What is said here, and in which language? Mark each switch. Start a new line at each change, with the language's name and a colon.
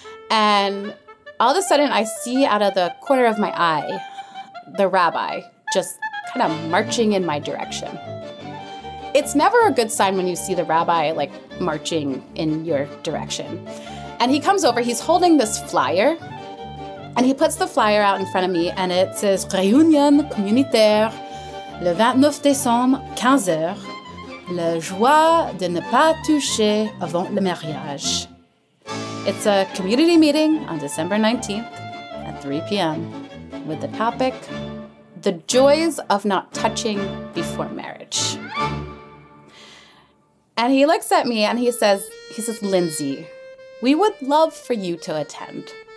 English: And all of a sudden, I see out of the corner of my eye the rabbi just kind of marching in my direction. It's never a good sign when you see the rabbi like marching in your direction. And he comes over, he's holding this flyer, and he puts the flyer out in front of me, and it says
French: Réunion communautaire. Le 29 décembre, 15h, la joie de ne pas toucher avant le mariage.
English: It's a community meeting on December 19th at 3 p.m. with the topic, the joys of not touching before marriage. And he looks at me and he says, Lindsay, we would love for you to attend.